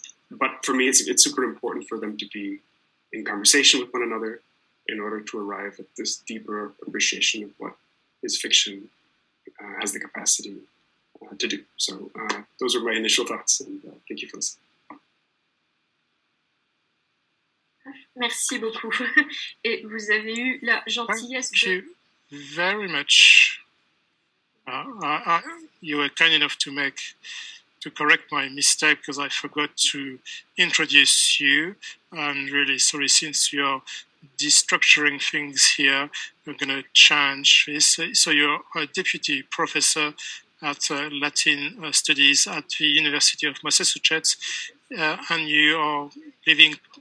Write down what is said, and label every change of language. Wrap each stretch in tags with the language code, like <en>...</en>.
<en>But for me, it's super important for them to be in conversation with one another in order to arrive at this deeper appreciation of what his fiction has the capacity to do. So those are my initial thoughts, and thank you for listening.</en> <fr>Merci beaucoup. Et vous avez eu la gentillesse</fr> <en>de... Thank you very much. You were kind enough to correct my mistake because I forgot to introduce you. I'm really sorry, since you're destructuring things here, we're going to change this. So you're a deputy professor at Latin studies at the University of Massachusetts, and you are living</en>